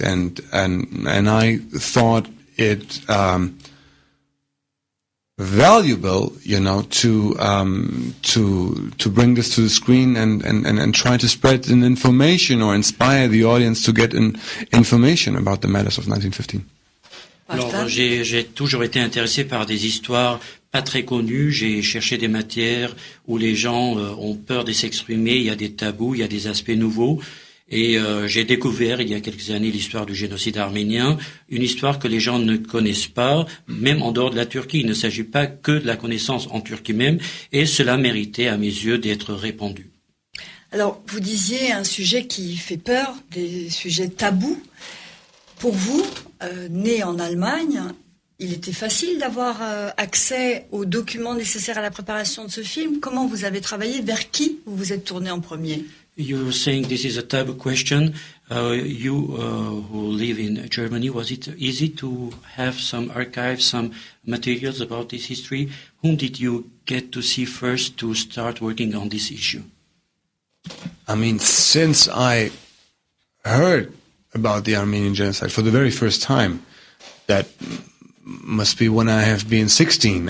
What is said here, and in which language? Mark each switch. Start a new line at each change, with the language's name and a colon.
English: And I thought it valuable, you know, to bring this to the screen and try to spread an information or inspire the audience to get information about the matters of 1915.
French: Alors, j'ai toujours été intéressé par des histoires pas très connues. J'ai cherché des matières où les gens ont peur de s'exprimer. Il y a des tabous, il y a des aspects nouveaux. Et j'ai découvert il y a quelques années l'histoire du génocide arménien, une histoire que les gens ne connaissent pas, même en dehors de la Turquie. Il ne s'agit pas que de la connaissance en Turquie même, et cela méritait à mes yeux d'être répandu. Alors, vous disiez un sujet qui fait peur, des sujets tabous. Pour vous, né en Allemagne, Il était facile d'avoir accès aux documents nécessaires à la préparation de ce film. Comment vous avez travaillé? Vers qui vous vous êtes tourné en premier?
English: You were saying this is a tough question. You who live in Germany, was it easy to have some archives, some materials about this history? Whom did you get to see first to start working on this issue? I mean, since I heard about the Armenian genocide for the very first time, that must be when I have been 16.